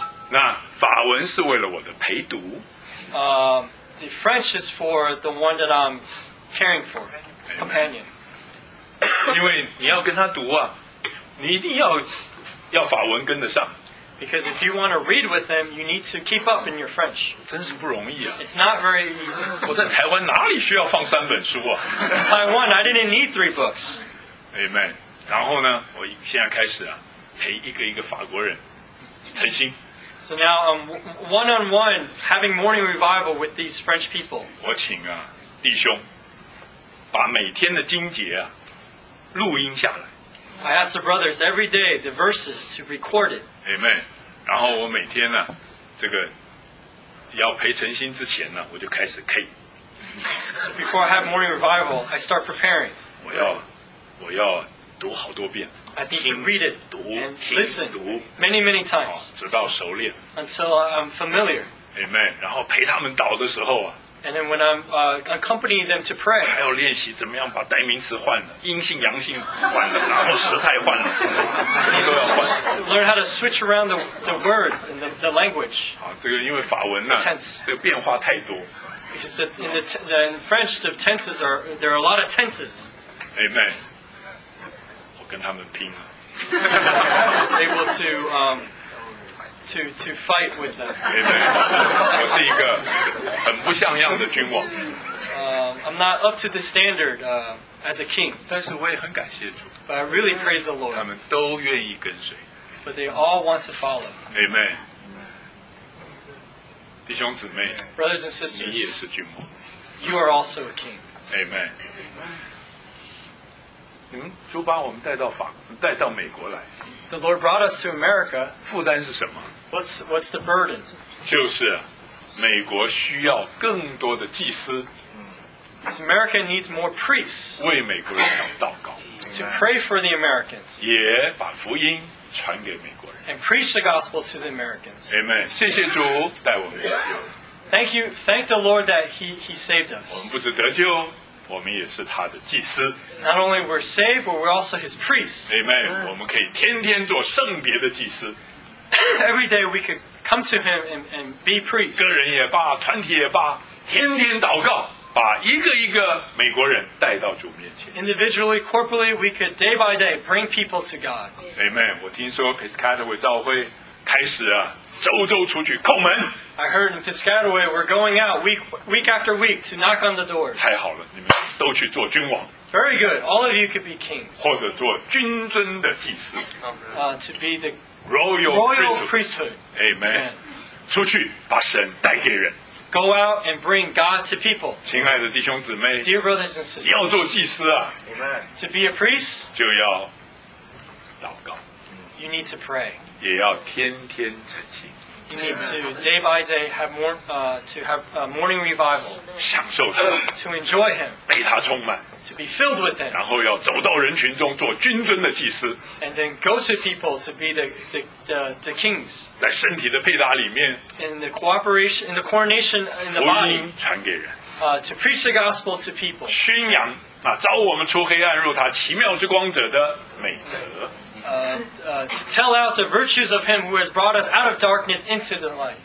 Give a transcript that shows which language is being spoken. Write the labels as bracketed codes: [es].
[zh] 那法文是为了我的陪读。 [en] The French is for the one that I'm caring for, companion. [zh] 因为你要跟他读啊，你一定要法文跟得上。 [en] Because if you want to read with them, you need to keep up in your French. [zh] 真是不容易啊。 [en] It's not very easy. [zh] 我在台湾哪里需要放三本书啊？ [en] In Taiwan, I didn't need three books. Amen. [zh] 然后呢，我现在开始啊，陪一个一个法国人晨兴。 [en] So now I'm one-on-one having morning revival with these French people. [zh] 我请啊弟兄把每天的经节啊录音下来。 [en] I ask the brothers every day the verses to record it. Amen. [zh] 然后我每天呢、啊，这个要陪晨兴之前呢、啊，我就开始 K. [en] So before I have morning revival, I start preparing. [zh] 我要读好多遍 [en] I need to read it [zh] 读 [en] and listen many, many times [zh] 直到熟练 [en] until I'm familiar [zh] Amen 然后陪他们祷的时候、啊、 [en] and then when I'm accompanying them to pray [zh] 还要练习怎么样把代名词换了阴性阳性换了然后时态换了都要换 [en] learn how to switch around the words and the language [zh] 这个因为法文呢、啊、 [en] tense [zh] 这个变化太多 [en] because in French the tenses are there are a lot of tenses [zh] Amen跟他们拼 [en] I was able to fight with them [zh] 我是一个很不像样的君王 [en] I'm not up to the standard as a king [zh] 但是我也很感谢主 [en] But I really praise the Lord [zh] 他们都愿意跟随 [en] But they all want to follow [zh] Amen 弟兄姊妹 [en] Brothers and sisters [zh] 你也是君王 [en] You are also a king [zh] Amen你们主把我们带到法国，带到美国来。 [en] The Lord brought us to America. [zh] 负担是什么 [en] ？What's the burden? [zh] 就是美国需要更多的祭司。 [en] It's America needs more priests. [zh] 为美国人祷告。 [en] To pray for the Americans. [zh] 也把福音传给美国人。 [en] And preach the gospel to the Americans. [zh] Amen. 谢谢主带我们。 [en] Thank you. Thank the Lord that he saved us. [zh] 我们不止得救。我们也是他的祭司。 [en] Not only we're saved, but we're also his priests. Amen. [zh] 我们可以天天做圣别的祭司。 [en] Every day we could come to him and be priests. [zh] 个人也罢，团体也罢，天天祷告，把一个一个美国人带到主面前。 [en] Individually, corporately, we could day by day bring people to God. [zh] Amen. 我听说 Piscataway 教会开始啊，周周出去叩门。 [en] I heard in Piscataway we're going out week after week to knock on the doors. [zh] 太好了，你们都去做君王。 [en] Very good. All of you could be kings. [zh] 或者做君尊的祭司。 [en] To be the royal priesthood. [zh] Amen. 出去把神带给人。 [en] Go out and bring God to people. [zh] 亲爱的弟兄姊妹。 [en] Dear brothers and sisters. [zh] 要做祭司啊。 [en] Amen. To be a priest. [zh] 就要祷告。 [en] You need to pray. [zh] 也要天天晨兴。 [en] You need to day by day have more, to have a morning revival. [zh] 享受他, [en] to enjoy him. [zh] 被他充满, [en] to be filled with him. [zh] 然后要走到人群中做君尊的祭司, [en] and then go to people to be the kings. [zh] 在身体的配搭里面, [en] in the coronation in the body, [zh] 福音传给人, [en] to preach the gospel to people. [zh] 宣扬,招我们出黑暗入他奇妙之光者的美德。 [en] To tell out the virtues of him who has brought us out of darkness into the light.